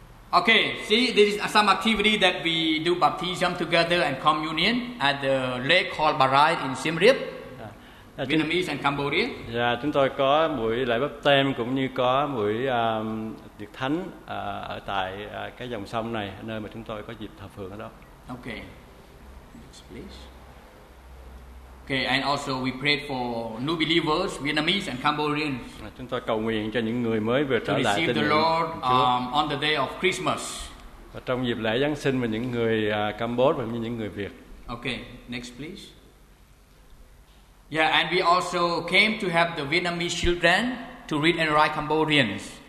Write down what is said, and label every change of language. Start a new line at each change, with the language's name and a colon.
English: Okay, see, this is some activity that we do baptism together and communion at the lake called Barai in Siem Reap, Vietnamese and Cambodia.
Vietnamese: Yeah, chúng tôi có buổi lễ bắp tem cũng như có buổi tiệc thánh ở tại cái dòng sông này, nơi mà chúng tôi có dịp thờ phượng ở đó.
English: Okay, next, please. Okay, and also we prayed for new believers, Vietnamese and Cambodians.
Vietnamese: Chúng tôi cầu nguyện cho những người mới vừa trở lại
English: tin Lord on the day of Christmas.
Vietnamese: Và trong dịp lễ Giáng sinh và những người Cambodia và những người Việt.
English: Okay, next please. Yeah, and we also came to help the Vietnamese children to read and write Cambodians.